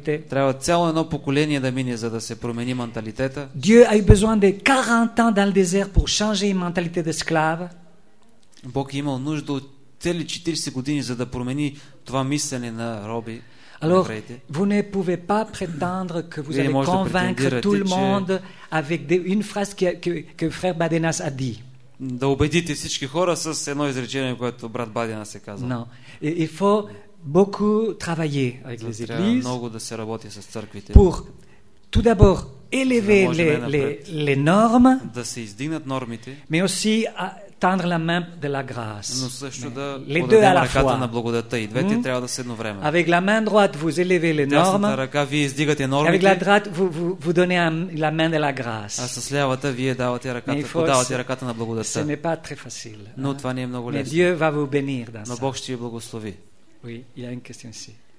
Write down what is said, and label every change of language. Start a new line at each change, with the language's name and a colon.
Bulgarian: Трябва цяло едно поколение да мине, за да се промени менталитета.
French: Dieu a eu besoin de 40 ans dans le désert pour changer une mentalité d'esclave.
Bulgarian: Бог е имал нужда от цели 40 години, за да промени това мислене на роби.
French: Alors, vous ne pouvez pas prétendre que vous allez convaincre tout le monde avec une phrase que frère Badenas a dit.
Bulgarian: Да убедите всички хора с едно изречение, което брат Бадена се казва.
French: Non, il faut beaucoup travailler avec les églises.
Bulgarian: Много да се работи с църквите.
French: Pour tout d'abord élever les normes.
Bulgarian: Да се издигнат нормите.
French: Mais aussi tendre la main de la grâce.
Bulgarian: Но също да подадем ръката на благодата и двете трябва да са едновременно.
French: Avec la main droite vous élevez les normes.
Bulgarian: Дясната ръка вие издигате нормите.
French: Avec la droite vous donnez la main de la grâce.
Bulgarian: А с лявата вие давате ръката, подавате ръката на благодата.
French: Ce n'est pas très facile.
Bulgarian: Но това не е много лесно.
French: Mais Dieu va vous bénir dans ça.
Bulgarian: Но Бог ще ви благослови.
French: Oui, il y a une question ici.